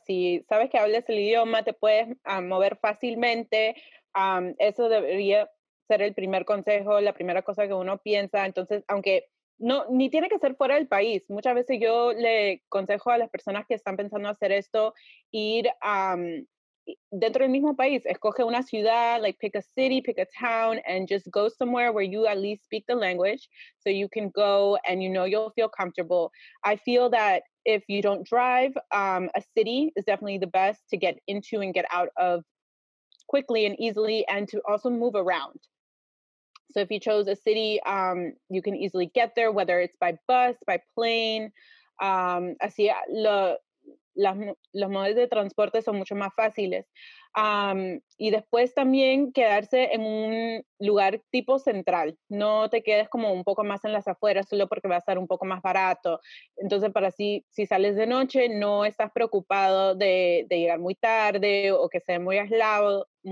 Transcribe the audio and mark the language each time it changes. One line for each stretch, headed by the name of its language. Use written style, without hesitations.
Spanish: Si sabes que hablas el idioma, te puedes mover fácilmente. Eso debería ser el primer consejo, la primera cosa que uno piensa. Entonces, aunque no, ni tiene que ser fuera del país. Muchas veces yo le aconsejo a las personas que están pensando hacer esto, ir dentro del mismo país. Escoge una ciudad,
English: like pick a city, pick a town, and just go somewhere where you at least speak the language so you can go and you know you'll feel comfortable. I feel that if you don't drive, a city is definitely the best to get into and get out of quickly and easily, and to also move around. So if you chose a city, you can easily get there, whether it's by bus, by plane.
Spanish: Así los modos de transporte son mucho más fáciles. Y después también quedarse en un lugar tipo central. No te quedes como un poco más en las afueras solo porque va a estar un poco más barato. Entonces, para así, si sales de noche, no estás preocupado de llegar muy tarde o que sea muy aislado.